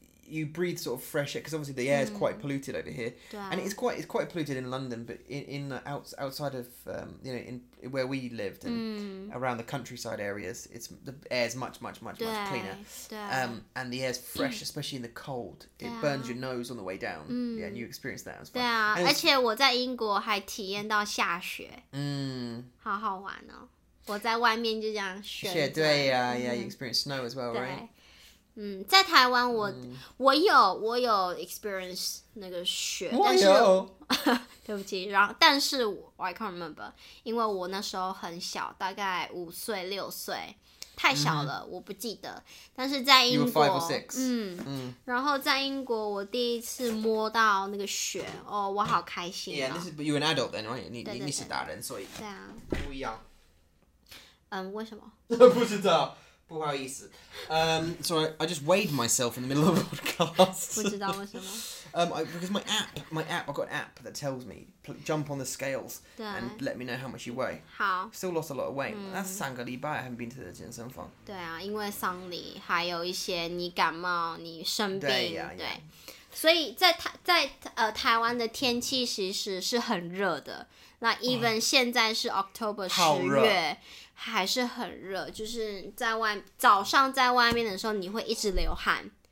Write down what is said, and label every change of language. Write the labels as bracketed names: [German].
[English] You breathe sort of fresh air, because obviously the air is quite polluted over here. And it's quite polluted in London, but outside of, in where we lived and around the countryside areas, the air is much cleaner. And the air is fresh, especially in the cold. It burns your nose on the way down. Yeah, and you experience that as well. [Chinese] 而且我在英国还体验到下雪。好好玩哦。我在外面就这样选择。 [English] You experience snow as well, right? [Chinese] 在台湾我、嗯、我有 experience 那个雪，我有，但是对不起，然后但是我 [English] I can't remember， [Chinese] 因为我那时候很小，大概五岁六岁，太小了、嗯、我不记得，但是在英国 [English] five or six. [Chinese] 然后在英国我第一次摸到那个雪，哦，我好开心、哦、 [English] yeah this is, but you're an adult then right， [Chinese] 你对对对，你是大人，所以对啊不一样。嗯，为什么不知道，不好意思。 [English] So I just weighed myself in the middle of the podcast. [Chinese] 不知道为什么。 [English] Because my app, I've got an app that tells me, jump on the scales and let me know how much you weigh. [Chinese] 好。 [English] Still lost a lot of weight.、嗯、That's [Chinese] 三个礼拜 [English] I haven't been to the 健身房。 [Chinese] 对啊，因为丧礼，还有一些你感冒，你生病，对。 [English] Yeah, [Chinese] 对 [English] yeah. [Chinese] 所以在台湾的天气其实是很热的。那 even 现在是 October 十月。还是很热，就是在外早上在外面的时候，你会一直流汗。